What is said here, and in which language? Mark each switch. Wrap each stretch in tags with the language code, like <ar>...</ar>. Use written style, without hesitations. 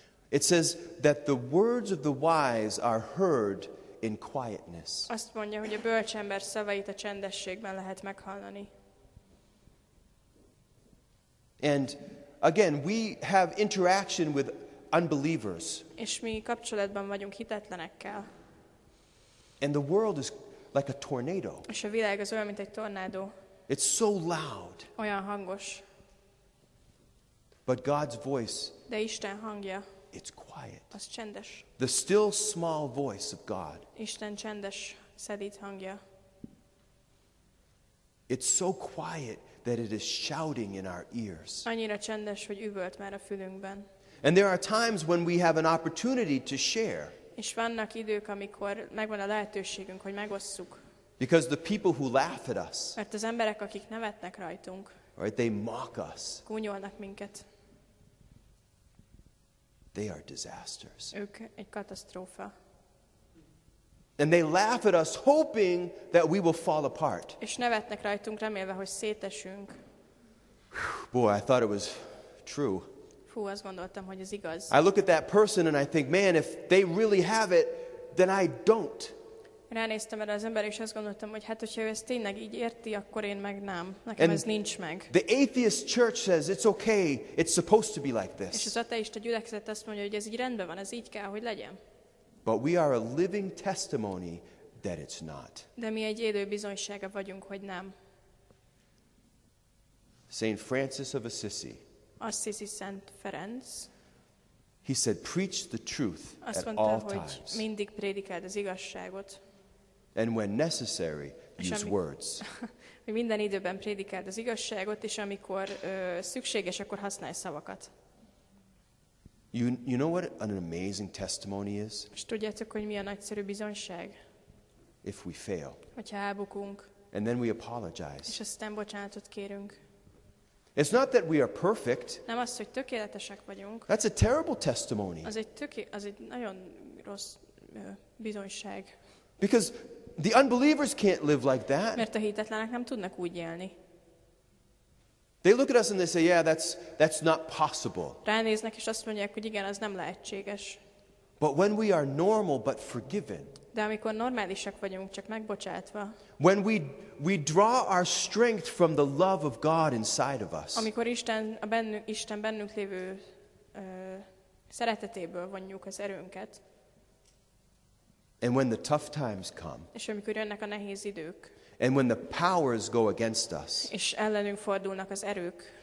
<en>it says that the words of the wise are heard in quietness.</en> <hu>Azt mondja, hogy a bölcs ember szavait a csendességben lehet meghallani.</hu> <en>And again, we have interaction with unbelievers.</en> <hu>És mi kapcsolatban vagyunk hitetlenekkel.</hu> <en>And the world is like a tornado.</en> <hu>És a világ az olyan, mint egy tornádó.</hu> <en>It's so loud.</en> <hu>Olyan hangos.</hu> <en>But God's voice.</en> <hu>De Isten hangja.</hu> <en>It's quiet.</en> <hu>Az csendes.</hu> <en>The still small voice of God.</en> <hu>Isten csendes, szelíd hangja.</hu> <en>It's so quiet that it is shouting in our ears.</en> <hu>Annyira csendes, hogy üvölt már a fülünkben.</hu> <en>And there are times when we have an opportunity to share.</en> <hu>És vannak idők, amikor megvan a lehetőségünk, hogy megosszuk.</hu> <en>Because the people who laugh at us.</en> <hu>Mert az emberek, akik nevetnek rajtunk.</hu> <en>Right, they mock us.</en> <hu>Gúnyolnak minket.</hu> <en>They are disasters.</en> <hu>Ők egy katasztrófa.</hu> <en>And they laugh at us, hoping that we will fall apart.</en> <hu>És nevetnek rajtunk, remélve, hogy szétesünk.</hu> <en>Boy, I thought it was true.</en> <hu>Hú, azt gondoltam, hogy ez igaz.</hu> <en>I look at that person and I think, man, if they really have it, then I don't.</en> <hu>Ránéztem erre az ember, és azt gondoltam, hogy hát, hogyha ő ezt tényleg így érti, akkor én meg nem. Nekem ez nincs meg.</hu> <en>The atheist church says, it's okay, it's supposed to be like this.</en> <hu>És az ateista gyülekezet azt mondja, hogy ez így rendben van, ez így kell, hogy legyen.</hu> <en>But we are a living testimony that it's not.</en> <hu>De mi egy élő bizonysága vagyunk, hogy nem.</hu> <en>Saint Francis of Assisi.</en> <hu>Assisi Szent Ferenc.</hu> <en>He said, preach the truth</en> <hu>azt</hu> <en>at</en> <hu>mondta,</hu> <en>all</en> <hu>hogy</hu> <en>times.</en> <hu>Mindig prédikáld az igazságot.</hu> <en>And when necessary, use words.</en> <hu>Minden időben prédikáld az igazságot, és amikor szükséges, akkor használj szavakat.</hu> <en>You know what an amazing testimony is?</en> <hu>És tudjátok, hogy mi a nagyszerű bizonyság?</hu> <en>If we fail.</en> <hu>Hogyha elbukunk.</hu> <en>And then we apologize.</en> <hu>És aztán bocsánatot kérünk.</hu> <en>It's not that we are perfect.</en> <hu>Nem az, hogy tökéletesek vagyunk.</hu> <en>That's a terrible testimony.</en> <hu>Az egy nagyon rossz bizonyság.</hu> <en>Because the unbelievers can't live like that.</en> <hu>Mert a hitetlenek nem tudnak úgy élni.</hu> <en>They look at us and they say, yeah, that's not possible.</en> <hu>Ránéznek és azt mondják, hogy igen, az nem lehetséges.</hu> <en>But when we are normal but forgiven.</en> <hu>De amikor normálisak vagyunk, csak megbocsátva.</hu> <en>When we draw our strength from the love of God inside of us.</en> <hu>Amikor Isten bennünk lévő szeretetéből vonjuk az erőnket.</hu> <en>And when the tough times come.</en> <hu>És amikor jönnek a nehéz idők.</hu> <en>And when the powers go against us.</en> <hu>És ellenünk fordulnak az erők.</hu>